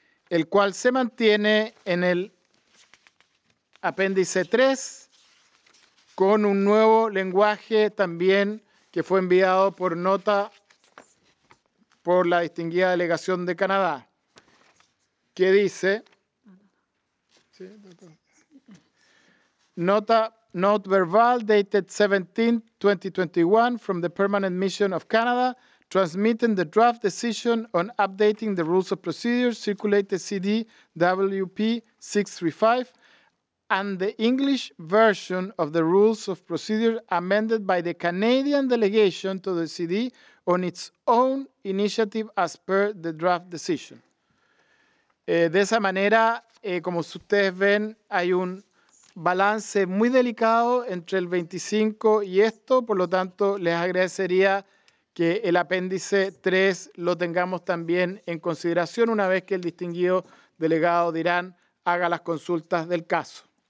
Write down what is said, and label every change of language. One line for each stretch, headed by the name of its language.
Spanish: el cual se mantiene en el apéndice 3 con un nuevo lenguaje también que fue enviado por nota por la distinguida delegación de Canadá, que dice, nota,
English: note verbal dated 17, 2021 from the Permanent Mission of Canada. Transmitting the draft decision on updating the rules of procedure circulated CDWP 635 and the English version of the rules of procedure amended by the Canadian delegation to the CD on its own initiative as per the draft decision.
Spanish: De esa manera, como ustedes ven, hay un balance muy delicado entre el 25 y esto, por lo tanto, les agradecería que el apéndice 3 lo tengamos también en consideración una vez que el distinguido delegado de Irán haga las consultas del caso.